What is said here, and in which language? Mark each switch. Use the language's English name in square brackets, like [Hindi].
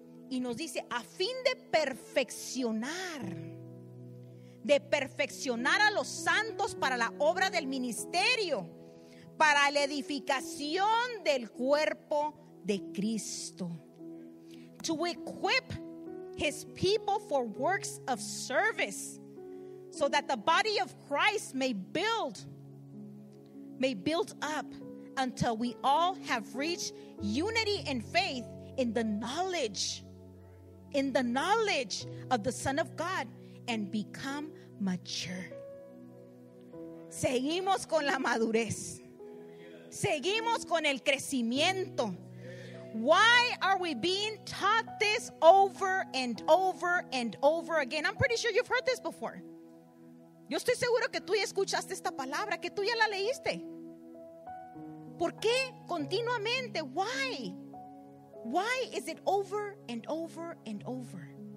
[Spanish] Y nos dice, a fin de perfeccionar a los santos para la obra del ministerio, para la edificación del cuerpo de Cristo. [English] To equip his people for works of service, so that the body of Christ may build up until we all have reached unity in faith, in the knowledge of the Son of God, and become mature. [Spanish] Seguimos con la madurez. Seguimos con el crecimiento. [English] Why are we being taught this over and over and over again? I'm pretty sure you've heard this before. [Spanish] Yo estoy seguro que tú ya escuchaste esta palabra, que tú ya la leíste. ¿Por qué continuamente? [English] Why? Why is it over and over and over?